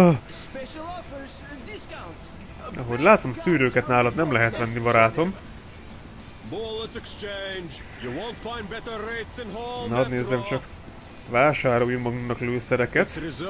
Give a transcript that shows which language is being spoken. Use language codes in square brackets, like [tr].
[en] Special offers and discounts! [hu] Ahogy látom, szűrőket nálad nem lehet venni, barátom. [en] Bullets exchange! You won't find better rates in hall. [hu] Na, nézzem csak. Vásárolj magunknak lőszereket.